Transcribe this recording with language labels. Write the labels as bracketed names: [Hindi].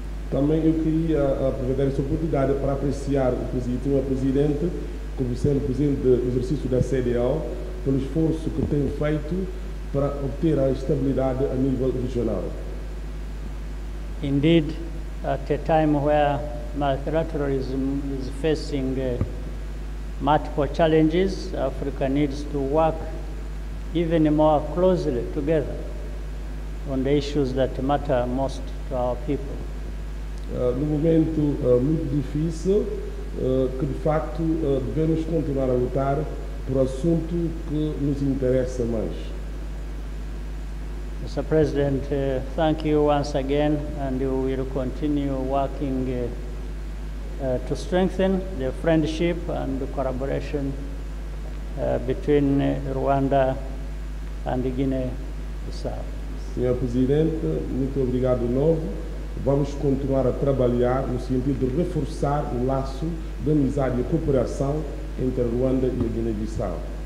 [Portuguese] Também eu queria aproveitar essa oportunidade para apreciar o presidente, o presidente, como sendo presidente do exercício da CDAO, pelo esforço que tem feito para obter a estabilidade a nível regional. [English] Indeed, at a time where multilateralism is facing multiple challenges, Africa needs to work even more closely together on the issues that matter most to our people. [Portuguese] No momento muito difícil, que de facto devemos continuar a lutar por assunto que nos interessa mais. [English] Mr. President, thank you once again, and we will continue working to strengthen the friendship and the collaboration between Rwanda and Guinea-Bissau. [Portuguese] Senhor Presidente, muito obrigado de novo. Vamos continuar a trabalhar no sentido de reforçar o laço de amizade e cooperação entre Ruanda e Guiné-Bissau.